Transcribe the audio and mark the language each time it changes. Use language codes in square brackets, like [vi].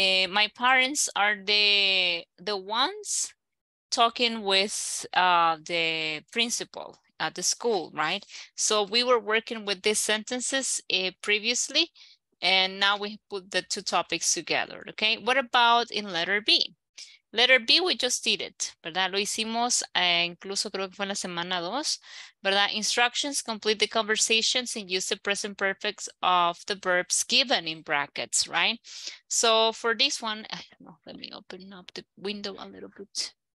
[en] My parents are the ones talking with the principal at the school, right? So we were working with these sentences previously, and now we put the two topics together, okay? What about in letter B? Letter B, we just did it, [es] ¿verdad? Lo hicimos incluso creo que fue en la semana dos, ¿verdad? [en] Instructions, complete the conversations and use the present perfect of the verbs given in brackets, right? So for this one, I don't know, let me open up the window a little bit.